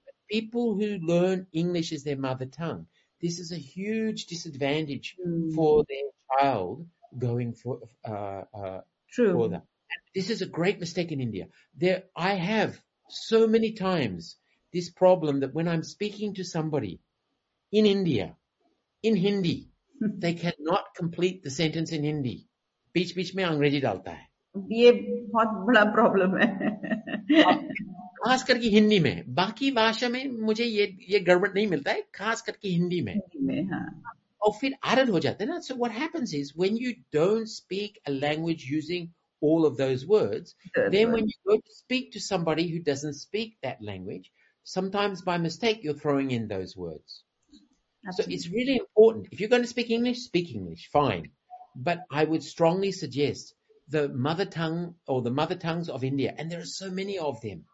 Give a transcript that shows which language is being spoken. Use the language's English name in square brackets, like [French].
[English] People who learn English as their mother tongue, this is a huge disadvantage for their child going for for True. that. This is a great mistake in India. There, I have so many times this problem that when I'm speaking to somebody in India, in Hindi, they cannot complete the sentence in Hindi. [Hindi] Beech beech mein angrezi dalta hai. ये बहुत बड़ा problem है खास करके हिंदी में, बाकी भाषा में मुझे ये गड़बड़ नहीं मिलता है, खास करके हिंदी में. में हाँ और फिर आदत हो जाता है ना. [English] so what happens is when you don't speak a language using all of those words, then when you [Hindi] बिल्कुल [English] go to speak to somebody who doesn't speak that language, sometimes by mistake you're throwing in those words. So it's absolutely really important. If you're going to speak English, fine. But I would strongly suggest the mother tongue or the mother tongues of India, and there are so many of them,